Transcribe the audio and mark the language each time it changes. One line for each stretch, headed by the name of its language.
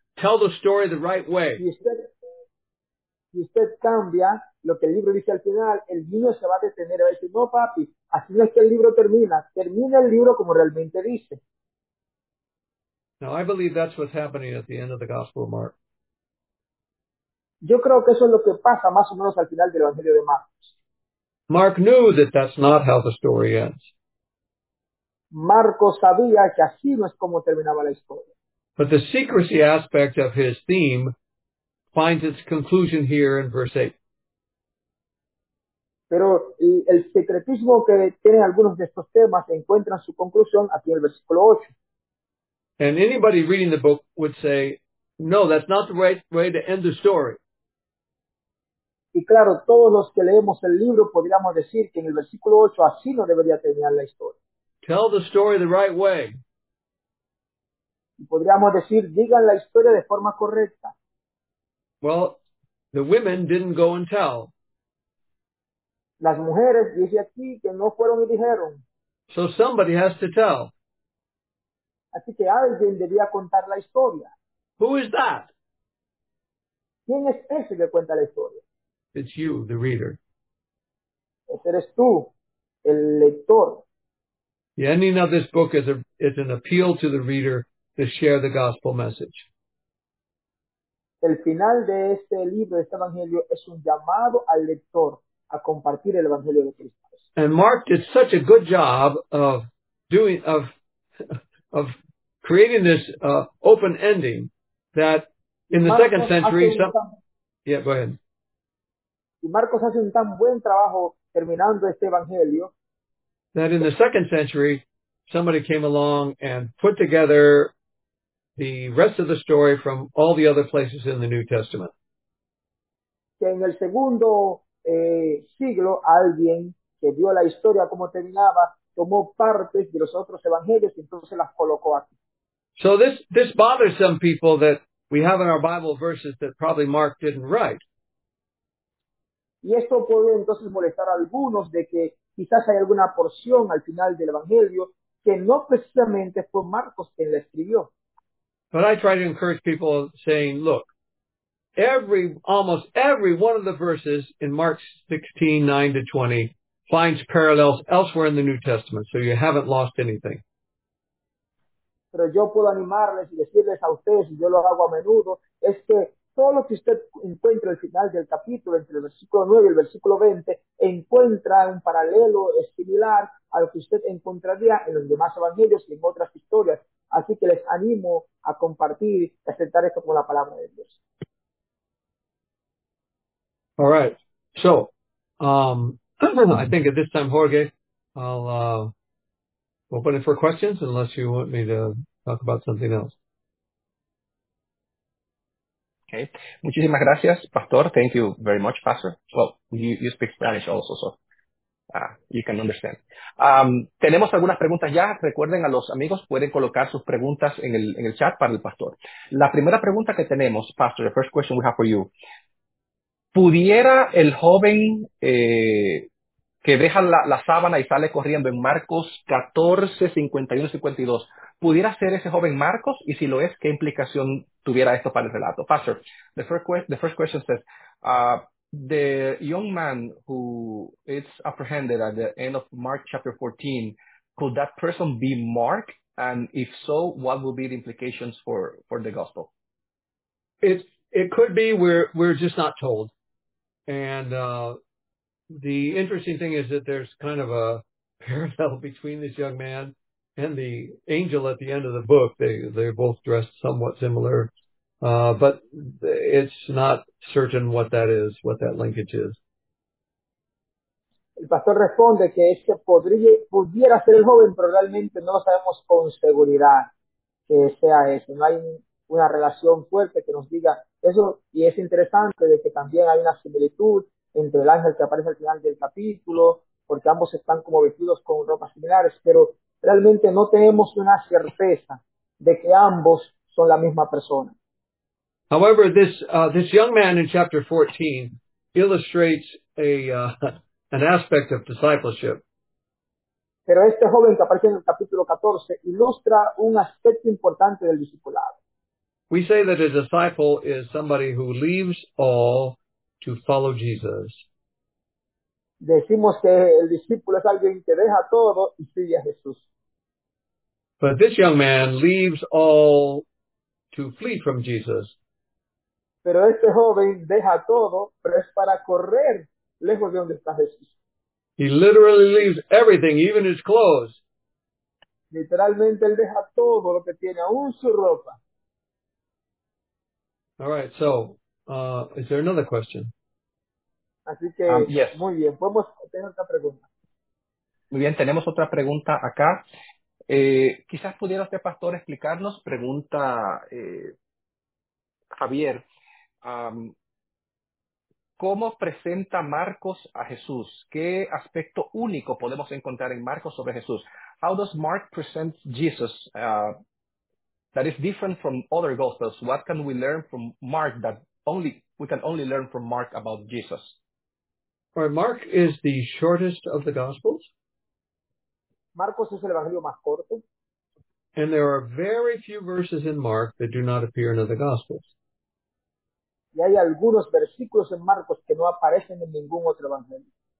English: Tell the story the right way.
Spanish: Si usted cambia lo que el libro dice al final, el niño se va a detener y va a decir, no, papi, así no es que el libro termina. Termina el libro como realmente dice.
English: Now, I believe that's what's happening at the end of the Gospel of Mark.
Spanish: Yo creo que eso es lo que pasa más o menos al final del Evangelio de Marcos.
English: Mark knew that that's not how the story ends.
Spanish: Marco sabía que así no es como terminaba la historia.
English: But the secrecy aspect of his theme finds its conclusion here in verse 8.
Spanish: Pero el secretismo que tienen algunos de estos temas encuentran su conclusión aquí en el versículo 8.
English: And anybody reading the book would say, no, that's not the right way to end the story.
Spanish: Y claro, todos los que leemos el libro podríamos decir que en el versículo 8 así no debería terminar la historia.
English: Tell the story the right way.
Spanish: Y podríamos decir, digan la historia de forma correcta.
English: Well, the women didn't go and tell.
Spanish: Las mujeres, dice aquí, que no fueron y dijeron.
English: So somebody has to tell.
Spanish: Así que alguien debía contar la historia.
English: Who is that?
Spanish: ¿Quién es ese que cuenta la historia?
English: It's you, the reader.
Spanish: Ese eres tú, el lector.
English: The ending of this book is an appeal to the reader to share the gospel message.
Spanish: El final de este libro, de este evangelio, es un llamado al lector a compartir el evangelio de Cristo.
English: And Mark did such a good job of doing, of creating this open ending that in the second century, yeah, go ahead.
Spanish: Y Marcos hace un tan buen trabajo terminando este evangelio.
English: That in the second century, somebody came along and put together the rest of the story from all the other places in the New Testament.
Spanish: Que en el segundo siglo, alguien que vio la historia como terminaba, tomó partes de los otros evangelios y entonces las colocó aquí.
English: So this bothers some people that we have in our Bible verses that probably Mark didn't write.
Spanish: Y esto puede entonces molestar a algunos de que quizás hay alguna porción al final del Evangelio que no precisamente fue Marcos quien la escribió.
English: But I try to encourage people saying, look, almost every one of the verses in Mark 16:9-20 finds parallels elsewhere in the New Testament, so you haven't lost anything.
Spanish: Pero yo puedo animarles y decirles a ustedes, y yo lo hago a menudo, es que todo lo que usted encuentra al final del capítulo, entre el versículo 9 y el versículo 20, encuentra un paralelo similar a lo que usted encontraría en los demás evangelios y en otras historias. Así que les animo a compartir y aceptar esto como la palabra de Dios.
English: All right. So, I think at this time, Jorge, I'll open it for questions unless you want me to talk about something else. Okay.
Spanish: Muchísimas gracias,
English: Pastor. Thank you very much, Pastor. Well, you speak Spanish also, so you can understand.
Spanish: Tenemos algunas preguntas ya. Recuerden a los amigos, pueden colocar sus preguntas en el chat para el Pastor. La primera pregunta que tenemos, Pastor,
English: the first question we have for you.
Spanish: ¿Pudiera el joven que deja la sábana y sale corriendo en Marcos 14:51-52? ¿Pudiera ser ese joven Marcos? Y si lo es, ¿qué implicación tuviera esto para el relato?
English: Pastor, the first question says, the young man who is apprehended at the end of Mark chapter 14, could that person be Mark? And if so, what would be the implications for the gospel? It could be. We're just not told. And the interesting thing is that there's kind of a parallel between this young man and the angel at the end of the book. They're both dressed somewhat similar, but it's not certain what that is, what that linkage is.
Spanish: El pastor responde que es que pudiera ser el joven, pero realmente no sabemos con seguridad que sea eso. No hay una relación fuerte que nos diga eso. Y es interesante de que también hay una similitud entre el ángel que aparece al final del capítulo, porque ambos están como vestidos con ropas similares, pero realmente no tenemos una certeza de que ambos son la misma persona. However, this young man in chapter 14 illustrates an aspect of discipleship. Pero este joven que aparece en el capítulo 14 ilustra un aspecto importante del discipulado. We say that a disciple is somebody who leaves all to follow Jesus. Decimos que el discípulo es alguien que deja todo y sigue a Jesús. But this young man leaves all to flee from Jesus. Pero este joven deja todo, pero es para correr lejos de donde está Jesús. He literally leaves everything, even his clothes. Literalmente él deja todo lo que tiene, aún su ropa.
English: All right, so is there another question?
Spanish: Así que
English: yes.
Spanish: Muy bien, podemos tener otra pregunta. Muy bien, tenemos otra pregunta acá. Quizás pudiera usted, pastor, explicarnos, pregunta Javier, ¿cómo presenta Marcos a Jesús? ¿Qué aspecto único podemos encontrar en Marcos sobre Jesús?
English: How does Mark present Jesus that is different from other gospels? What can we learn from Mark that only we can only learn from Mark about Jesus? All right, Mark is the shortest of the gospels.
Spanish: Marcos es el evangelio más corto.
English: And there are very few verses in Mark that do not appear in other gospels.
Spanish: Y hay algunos versículos en Marcos que no aparecen en ningún otro evangelio.